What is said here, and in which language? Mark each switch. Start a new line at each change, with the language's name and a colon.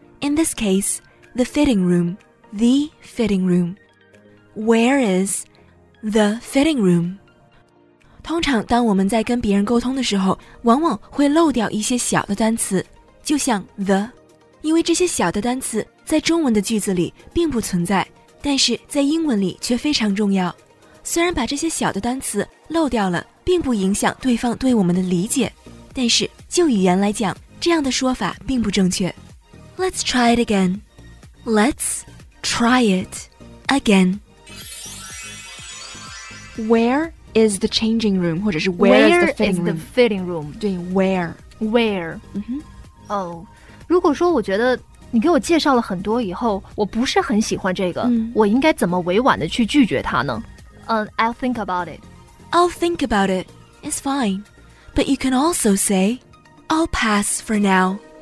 English: In this case, the fitting room, the fitting room. Where is the fitting room?
Chinese: 通常当我们在跟别人沟通的时候，往往会漏掉一些小的单词，就像 the， 因为这些小的单词在中文的句子里并不存在，但是在英文里却非常重要。虽然把这些小的单词漏掉了并不影响对方对我们的理解，但是就语言来讲，这样的说法并不正确。
English: Let's try it again. Let's try it again. Whereis the changing room,
Chinese: 或者是
English: where is the fitting room?
Chinese: 对，
English: where. Where.、 Mm-hmm.
Chinese: Oh, 如果说我觉得你给我介绍了很多以后，我不是很喜欢这个、 mm. 我应该怎么委婉的去拒绝他呢？
English: I'll think about it. I'll think about it. It's fine. But you can also say, I'll pass for now.